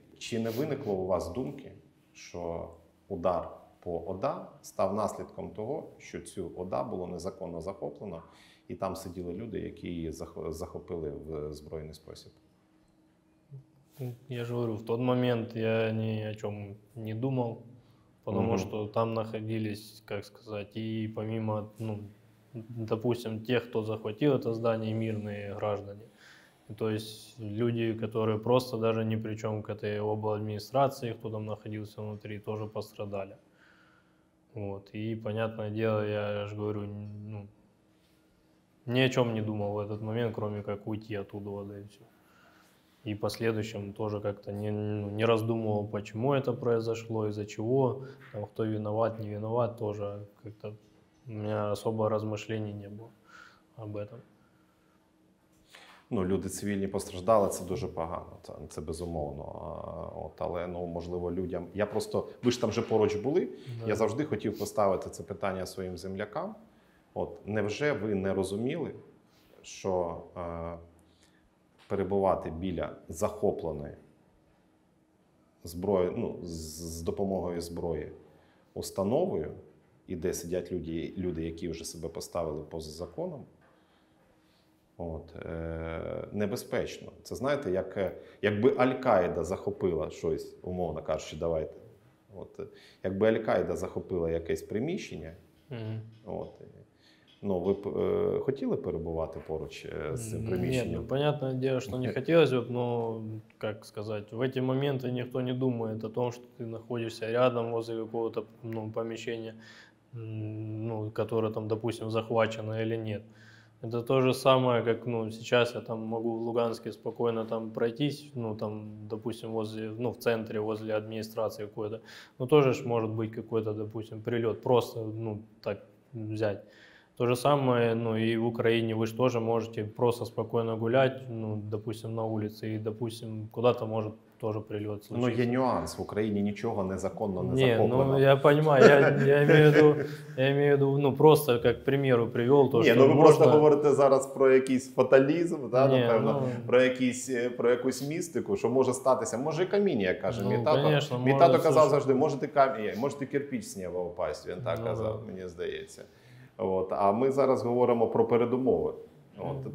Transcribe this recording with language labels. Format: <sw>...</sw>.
<uk>Чи не виникло у вас думки, що удар по ОДА став наслідком того, що цю ОДА було незаконно захоплено, і там сиділи люди, які її захопили в збройний спосіб? Я ж говорю, в той момент я ні о чому не думав, тому що там знаходились, як сказати, і помимо, ну, допустим, тих, хто захватив це здання, мирні громадяни.</uk> <ru>То есть люди, которые просто даже ни при чем к этой обладміністрації, кто там находился внутри, тоже пострадали. Вот. И, понятное дело, я же говорю, ну, ни о чем не думал в этот момент, кроме как уйти оттуда, да, и все. И в последующем тоже как-то не раздумывал, почему это произошло, из-за чего, там, кто виноват, не виноват, тоже как-то у меня особо размышлений не было об этом.</ru> <uk>Ну, люди цивільні постраждали, це дуже погано, це безумовно. От, але, ну, можливо, людям... Я просто... Ви ж там вже поруч були. Да. Я завжди хотів поставити це питання своїм землякам. От, невже ви не розуміли, що перебувати біля захопленої зброї, ну, з допомогою зброї установою, і де сидять люди, які вже себе поставили поза законом, от, небезпечно. Це, знаєте, якби Аль-Каїда захопила щось, умовно кажучи, давайте. От, якби Аль-Каїда захопила якесь приміщення, от, ну, ви б хотіли перебувати поруч з цим приміщенням? Ні, ну, понятне діло, що не хотілося б, але, як сказати, в ці моменти ніхто не думає о тому, що ти знаходишся рядом, возле якогось, ну, приміщення, ну, яке там, допустим, захвачено або ні.</uk> <ru>Это то же самое, как, ну, сейчас я там могу в Луганске спокойно там пройтись, ну, там, допустим, возле, ну, в центре, возле администрации какой-то. Ну, тоже ж может быть какой-то, допустим, прилет, просто, ну, так взять. То же самое, ну, и в Украине вы же тоже можете просто спокойно гулять, ну, допустим, на улице, и, допустим, куда-то может тоже прилет случится. Но есть нюанс, в Украине ничего незаконно не</ru> <uk>захоплено.</uk> <ru>Не, ну я понимаю, я имею в виду, ну просто как примеру привел то, что можно...</ru> <uk>Ну ви просто говорите зараз про якийсь фаталізм, да, напевно, про якусь містику, що може статися. Може і камінь, як каже мій тато. Мій тато казав завжди, може і камінь, може і кирпич з неба впасть, він так казав, мені здається. От, а ми зараз говоримо про передумови. От.</uk>